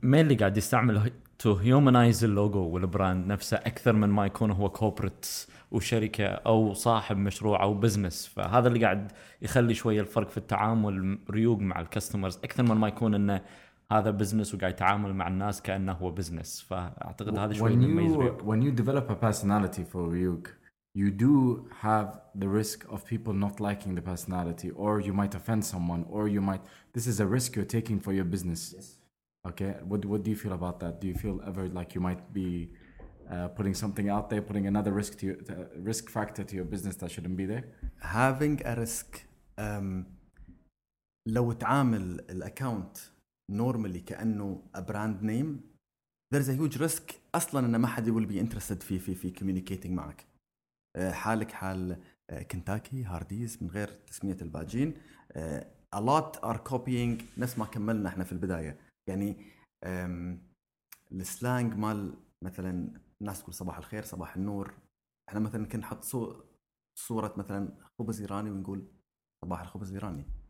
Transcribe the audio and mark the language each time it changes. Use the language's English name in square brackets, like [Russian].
[Arabic] مين اللي قاعد يستعمله تو هيومنايز اللوجو والبراند نفسه اكثر من ما يكون هو كوربريت وشركة أو صاحب مشروع أو بزنس, فهذا اللي قاعد يخلي شوية الفرق في التعامل ريوق مع الكاستمرز أكثر من ما يكون أنه هذا بزنس وقاعد يتعامل مع الناس كأنه هو بزنس. فأعتقد هذا شوية مميز ريوق. [English] When you develop a personality for ريوق, you do have the risk of people not liking the personality, or you might offend someone, or you might, this is a risk you're taking for your business. Yes. Okay, what do you feel about that? Do you feel ever like you might be putting something out there, putting another risk to your, risk factor to your business that shouldn't be there? Having a risk, [Arabic] لو تعامل الأكاونت [English] normally كأنه a brand name, there's a huge risk [Arabic] أصلاً أن ما حد [English] will be interested في communicating معك. [Arabic] حالك حال كنتاكي, هارديز, من غير تسمية الباجين. [English] A lot are copying [Arabic] نفس ما كملنا إحنا في البداية. يعني السلانج مال مثلاً الناس تقول صباح الخير, صباح النور. احنا مثلا كنا نحط صورة مثلا خبز ايراني ونقول صباح الخبز ايراني.